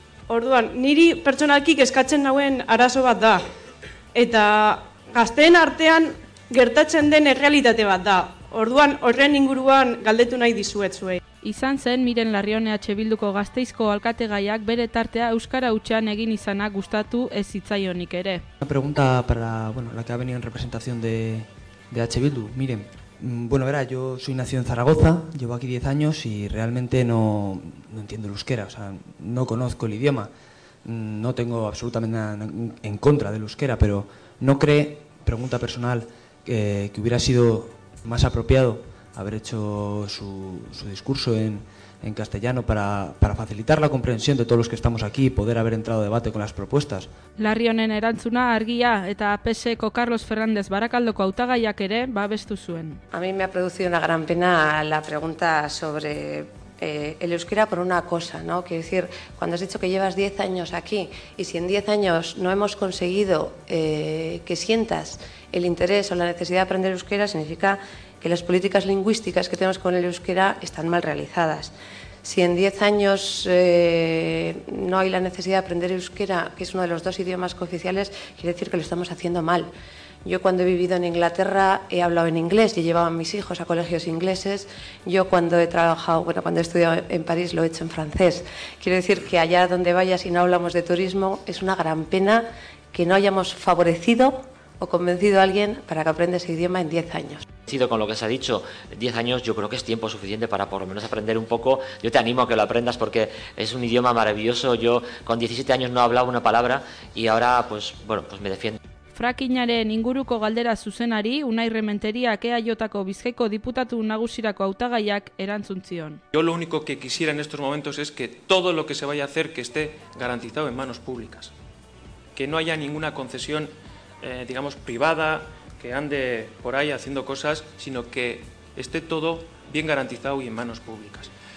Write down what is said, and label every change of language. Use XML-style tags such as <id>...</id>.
<eu>Orduan, niri pertsonalki kezkatzen nauen arazo bat da. Eta gazteen artean gertatzen den errealitate bat da. Orduan, horren inguruan galdetu nahi dizuet zuei. Izan zen Miren Larrion EH Bilduko Gasteizko alkategaiak bere tartea euskara hutsean egin izana gustatu ez zitzaionik ere.</eu> <es>Una pregunta para, bueno, la que ha venido en representación de EH Bildu, Miren. Bueno, verá, yo soy nacido en Zaragoza, llevo aquí 10 años y realmente no entiendo el euskera, o sea, no conozco el idioma. No tengo absolutamente nada en contra del euskera, pero no cree, pregunta personal, que hubiera sido más apropiado haber hecho su discurso en castellano para facilitar la comprensión de todos los que estamos aquí y poder haber entrado a debate con las propuestas.</es> <eu>Larrionen erantzuna argia eta PSEko Carlos Fernández Barakaldoko hautagaiak ere babestu zuen.</eu> <es>A mí me ha producido una gran pena la pregunta sobre el euskera por una cosa, ¿no? Quiero decir, cuando has dicho que llevas 10 años aquí y si en 10 años no hemos conseguido que sientas el interés o la necesidad de aprender euskera, significa que las políticas lingüísticas que tenemos con el euskera están mal realizadas. Si en 10 años no hay la necesidad de aprender euskera, que es uno de los dos idiomas cooficiales, quiere decir que lo estamos haciendo mal. Yo cuando he vivido en Inglaterra he hablado en inglés y he llevado a mis hijos a colegios ingleses. Yo cuando he trabajado, bueno, cuando he estudiado en París lo he hecho en francés. Quiero decir que allá donde vayas y no hablamos de turismo, es una gran pena que no hayamos favorecido o convencido a alguien para que aprenda ese idioma en 10 años. Con lo que se ha dicho, 10 años yo creo que es tiempo suficiente para por lo menos aprender un poco. Yo te animo a que lo aprendas porque es un idioma maravilloso. Yo con 17 años no hablaba una palabra y ahora pues bueno, pues me defiendo.</es> <eu>Frakinaren inguruko galdera zuzenari, Unai Rementeria EAJ-ko Bizkaiko diputatu nagusirako hautagaiak erantzun zion.</eu> <es>Yo lo único que quisiera en estos momentos es que todo lo que se vaya a hacer que esté garantizado en manos públicas. Que no haya ninguna concesión digamos privada que ande por ahí haciendo cosas, sino que esté todo bien garantizado y en manos públicas.</es>